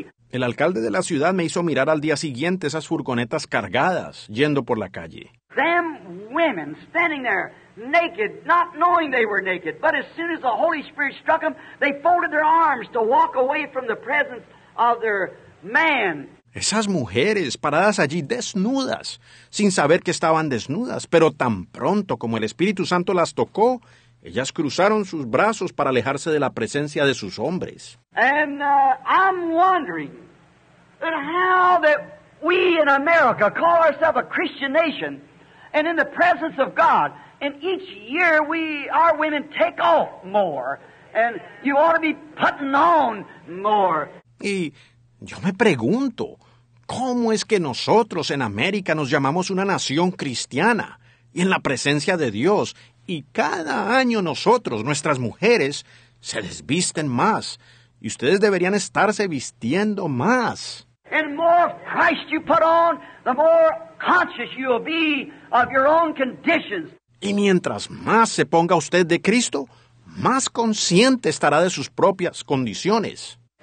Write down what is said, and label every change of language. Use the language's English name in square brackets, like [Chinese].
[Spanish] El alcalde de la ciudad me hizo mirar al día siguiente esas furgonetas cargadas yendo por la calle. [English] Them women standing there. Naked, not knowing they were naked, but as soon as the Holy Spirit struck them, they folded their arms to walk away from the presence of their man. [Spanish] Esas mujeres paradas allí desnudas, sin saber que estaban desnudas, pero tan pronto como el Espíritu Santo las tocó, ellas cruzaron sus brazos para alejarse de la presencia de sus hombres. [English] And I'm wondering that how that we in America call ourselves a Christian nation, and in the presence of God. And each year, our women take off more, and you ought to be putting on more. [Spanish] Y yo me pregunto, ¿cómo es que nosotros en América nos llamamos una nación cristiana y en la presencia de Dios, y cada año nosotros, nuestras mujeres, se desvisten más, y ustedes deberían estarse vistiendo más? [English] And more of Christ you put on, the more conscious you will be of your own conditions. [Spanish] Y mientras más se ponga usted de Cristo, más consciente estará de sus propias condiciones.